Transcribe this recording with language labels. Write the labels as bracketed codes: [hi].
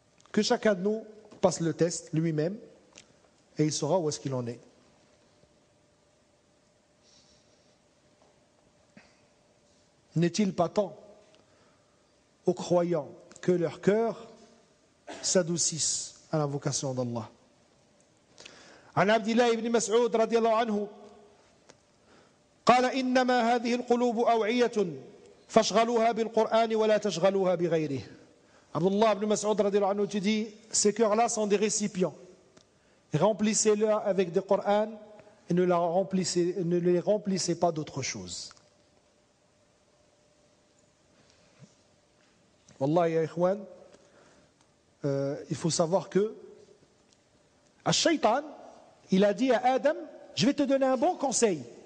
[fr] Que chacun de nous passe le test lui-même et il saura où est-ce qu'il en est. N'est-il pas temps aux croyants que leur cœur s'adoucisse à l'invocation d'Allah? [ar] Abdillah ibn Mas'ud radiallahu anhu قال إنما هذه القلوب أوعية فاشغلوها بالقرآن ولا تشغلوها بغيره. [fr] Abdullah ibn Mas'ud radiallahu anhu dit, ces cœurs-là sont des récipients. Remplissez-les avec des Coran et ne les remplissez pas d'autre chose. Wallah ya ikhwan, il faut savoir que Al-Shaytan, il a dit à Adam, je vais te donner un bon conseil.